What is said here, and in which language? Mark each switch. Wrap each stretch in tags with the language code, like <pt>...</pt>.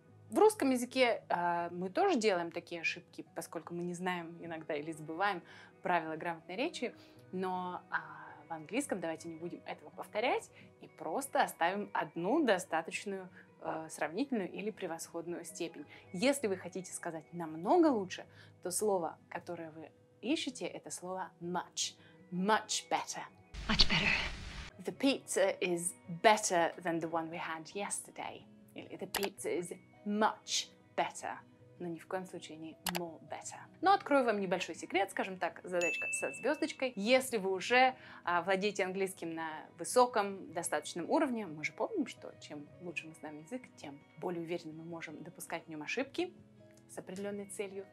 <ru>В русском языке мы тоже делаем такие ошибки, поскольку мы не знаем иногда или забываем правила грамотной речи, но в английском давайте не будем этого повторять и просто оставим одну достаточную сравнительную или превосходную степень. Если вы хотите сказать намного лучше, то слово, которое вы ищете, это слово much.</ru> <en>Much better. Much better. The pizza is better than the one we had yesterday.</en> <ru>Или</ru> <en>the pizza is much better.</en> <ru>Но ни в коем случае не</ru> <en>more better.</en> <ru>Но открою вам небольшой секрет, скажем так, задачка со звездочкой. Если вы уже владеете английским на высоком, достаточном уровне, мы же помним, что чем лучше мы знаем язык, тем более уверенно мы можем допускать в нем ошибки с определенной целью.</ru>